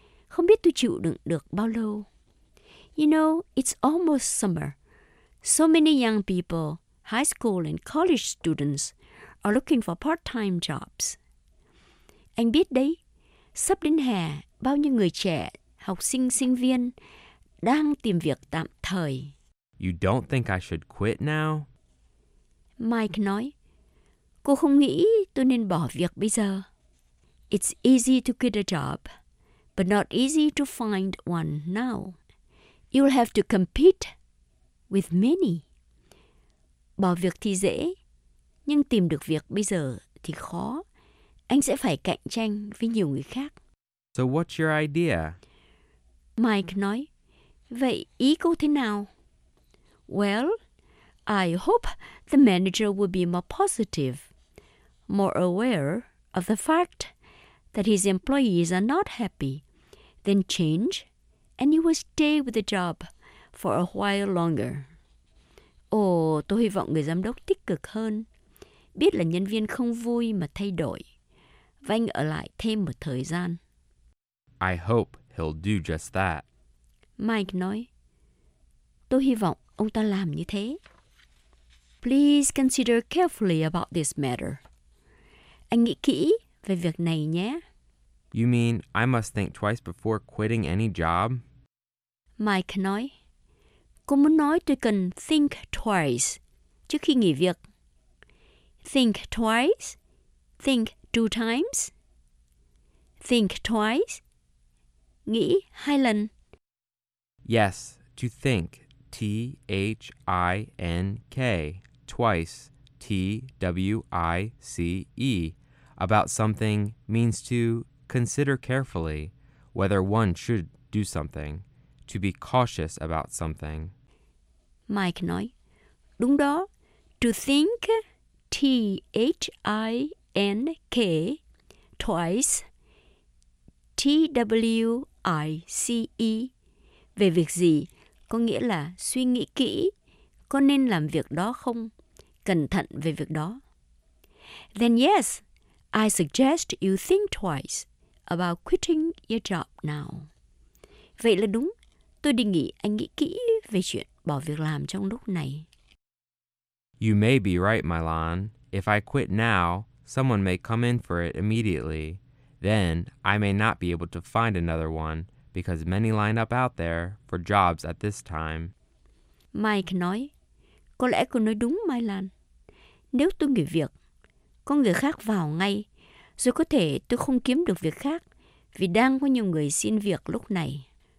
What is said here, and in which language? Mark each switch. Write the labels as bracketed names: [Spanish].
[Vietnamese] Không biết tôi chịu đựng được bao lâu. [English] You know, it's almost summer. So many young people, high school and college students, are looking for part-time jobs. [Vietnamese] Anh biết đấy, sắp đến hè, bao nhiêu người trẻ, học sinh, sinh viên, đang tìm việc tạm thời. [English] You don't think I should quit now? [Vietnamese] Mike nói, cô không nghĩ tôi nên bỏ việc bây giờ. [English] It's easy to quit a job, but not easy to find one now. You'll have to compete with many. [Vietnamese] Bỏ việc thì dễ, nhưng tìm được việc bây giờ thì khó. Anh sẽ phải cạnh tranh với nhiều người khác. [English] So what's your idea? [Vietnamese] Mike nói, vậy ý cô thế nào? [English] Well, I hope the manager will be more positive, more aware of the fact that his employees are not happy, then change, and he will stay with the job for a while longer. [Vietnamese] Tôi hy vọng người giám đốc tích cực hơn, biết là nhân viên không vui mà thay đổi, và anh ở lại thêm một thời gian. [English] I hope he'll do just that. [Vietnamese] Mike nói, tôi hy vọng ông ta làm như thế. [English] Please consider carefully about this matter. [Vietnamese] Anh nghĩ kỹ về việc này nhé. [English] You mean I must think twice before quitting any job? [Vietnamese] Mike nói, cô muốn nói tôi cần [English] think twice [Vietnamese] trước khi nghỉ việc. [English] Think twice? Think two times? Think twice? [Vietnamese] Nghĩ hai lần. [English] Yes, to think. T-H-I-N-K. Twice, T-W-I-C-E, about something means to consider carefully whether one should do something, to be cautious about something. [Vietnamese] Mike nói, đúng đó, [English] to think, T-H-I-N-K, twice, T-W-I-C-E, [Vietnamese] về việc gì, có nghĩa là suy nghĩ kỹ, có nên làm việc đó không? Cẩn thận về việc đó. [English] Then yes, I suggest you think twice about quitting your job now. [Vietnamese] Vậy là đúng, tôi đề nghị anh nghĩ kỹ về chuyện bỏ việc làm trong lúc này. [English] You may be right, Milan. If I quit now, someone may come in for it immediately. Then I may not be able to find another one because many line up out there for jobs at this time. [Vietnamese] Mike nói, có lẽ cô nói đúng, Mylan. Nếu tôi nghỉ việc, có người khác vào ngay, rồi có thể tôi không kiếm được việc khác vì đang có nhiều người xin việc lúc này.